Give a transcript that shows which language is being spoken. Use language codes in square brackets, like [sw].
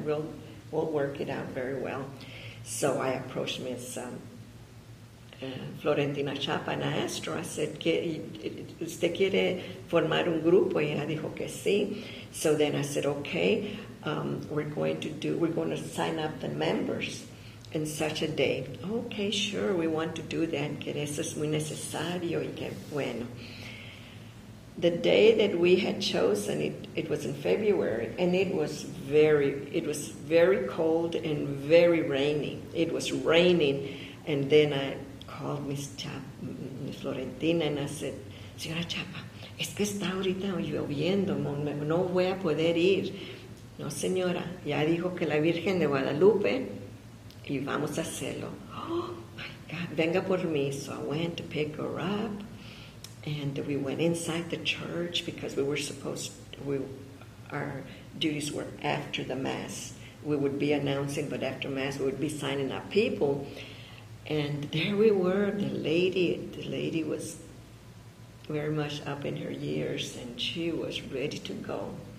[en] We'll work it out very well. So I approached Miss Florentina Chapa, and I asked her, I said, [es] ¿usted quiere formar un grupo? Y ella dijo que sí. [en] So then I said, okay, we're going to sign up the members in such a day. Okay, sure, we want to do that. [es] Que eso es muy necesario y que bueno. [en] The day that we had chosen, it was in February, and it was very cold and very rainy. It was raining, and then I called Miss Florentina, and I said, Señora Chapa, [es] es que está ahorita lloviendo, no voy a poder ir. No, señora, ya dijo que la Virgen de Guadalupe, y vamos a hacerlo. [en] Oh, my God, [es] venga por mí. [en] So I went to pick her up, and we went inside the church because we were supposed, our duties were after the Mass. We would be announcing, but after Mass, we would be signing up people. And there we were, the lady was very much up in her years, and she was ready to go.